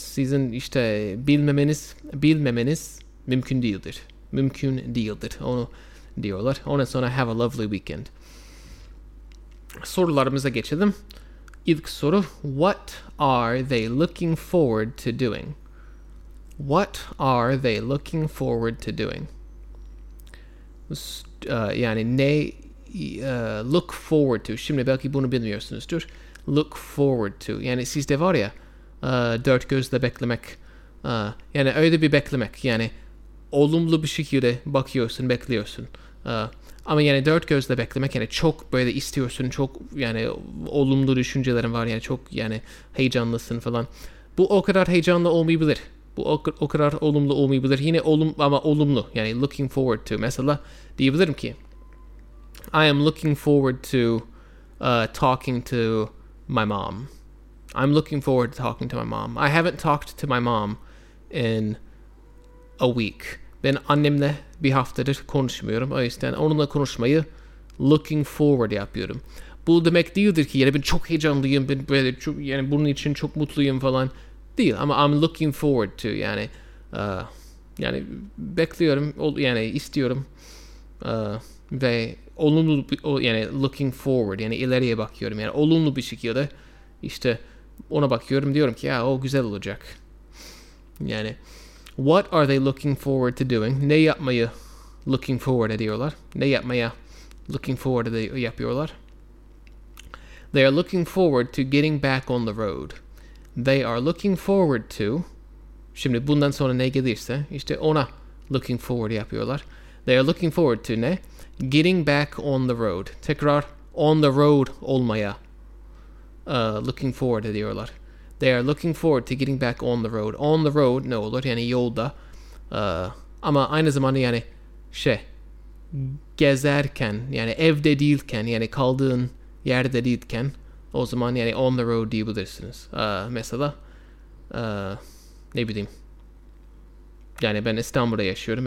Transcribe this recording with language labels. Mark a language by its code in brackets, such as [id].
[tr] Sizin işte bilmemeniz mümkün değildir. Mümkün değildir. Onu diyorlar. Ondan sonra [en] have a lovely weekend. [tr] Sorularımıza geçelim. İlk soru, [en] what are they looking forward to doing? What are they looking forward to doing? [tr] Yani ne [en] look forward to? [tr] Şimdi belki bunu bilmiyorsunuzdur. [en] Look forward to. [tr] Yani sizde var ya dört gözle beklemek. Yani öyle bir beklemek. Yani olumlu bir şekilde bakıyorsun, bekliyorsun. Ama yani dört gözle beklemek, yani çok böyle istiyorsun, çok yani olumlu düşüncelerin var, yani çok yani heyecanlısın falan. Bu o kadar heyecanlı olmayabilir. Bu o kadar olumlu olmayabilir. Yine olumlu, yani [en] looking forward to. [tr] Mesela diyebilirim ki, [en] I am looking forward to talking to my mom. I'm looking forward to talking to my mom. I haven't talked to my mom in a week. [tr] Ben annemle bir haftadır konuşmuyorum. O yüzden onunla konuşmayı [en] looking forward [tr] yapıyorum. Bu demek değildir ki yani ben çok heyecanlıyım, ben böyle çok, yani bunun için çok mutluyum falan değil. Ama [en] I'm looking forward to, [tr] yani yani bekliyorum, yani istiyorum ve olumlu, yani looking forward, yani ileriye bakıyorum, yani olumlu bir şekilde işte ona bakıyorum, diyorum ki ya o güzel olacak. Yani [en] what are they looking forward to doing? [tr] Ne yapmayı [en] looking forward [tr] ediyorlar? Ne yapmaya looking forward yapıyorlar? [en] They are looking forward to getting back on the road. They are looking forward to... [tr] Şimdi bundan sonra ne gelirse, işte ona [en] looking forward [tr] yapıyorlar. [en] They are looking forward to [tr] ne? [en] Getting back on the road. [tr] Tekrar [en] on the road [tr] olmaya [en] looking forward [tr] ediyorlar. [en] They are looking forward to getting back on the road. On the road [tr] ne olur? Yani yolda. Ama aynı zamanda yani şey, gezerken, yani evde değilken, yani kaldığın yerde değilken, o zaman yani [en] on the road [tr] diyebilirsiniz. Mesela ne bileyim. Yani ben İstanbul'da yaşıyorum.